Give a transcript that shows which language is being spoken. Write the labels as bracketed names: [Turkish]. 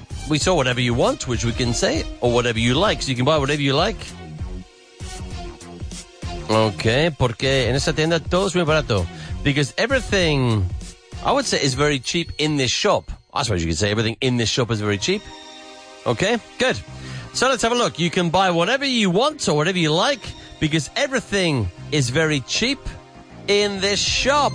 [English] We saw whatever you want, which we can say, or whatever you like. So you can buy whatever you like. [Spanish] Okay, porque en esta tienda todo es muy barato. [English] Because everything, I would say, is very cheap in this shop. I suppose you could say everything in this shop is very cheap. Okay, good. So let's have a look. You can buy whatever you want or whatever you like because everything is very cheap in this shop.